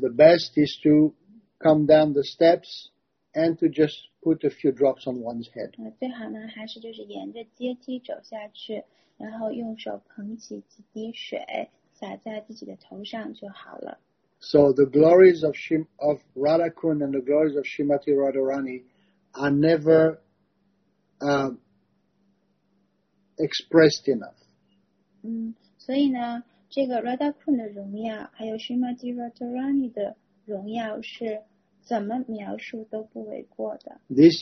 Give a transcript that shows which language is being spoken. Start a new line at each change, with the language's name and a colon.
English: the best is to come down the steps and to just put a few drops on one's head.
Chinese: 最好呢，还是就是沿着阶梯走下去，然后用手捧起几滴水，洒在自己的头上就好了。
English: So the glories of Radha-kund and the glories of Srimati Radharani are never expressed enough.
Chinese: 所以呢，这个 Radha-kund 的荣耀，还有 Srimati Radharani 的荣耀，是怎么描述都不为过的。
English: This